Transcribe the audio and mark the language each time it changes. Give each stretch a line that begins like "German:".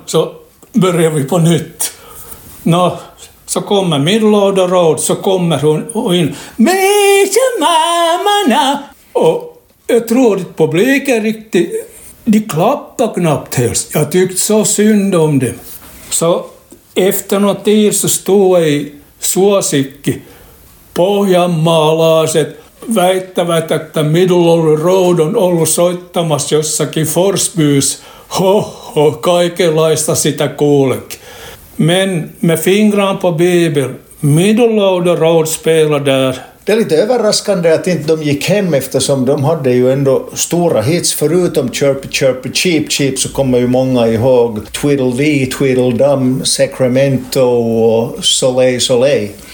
Swedish: Så börjar vi på nytt. Nå, så kommer Middle of the Road, så kommer hon in.
English: Meet your mama now.
Swedish: Och jag tror att publiken riktigt, de klappar knappt helst. Jag tyckte så synd om det. Så efter något tid så stod jag i
Finnish: suosikki pohjanmaalaiset väittävät, että Middle of the Road on ollut soittamassa jossakin Forsbys. Hoho, kaikenlaista sitä kuulekin.
Swedish: Men med fingrarna på Bibel, Middle of the Road spelade där. Det är lite överraskande att inte de gick hem, eftersom de hade ju ändå stora hits. Förutom Chirpy Chirpy Cheep Cheep så kommer ju många ihåg Twiddle Dee, Twiddle Dum, Sacramento och Soleil Soleil.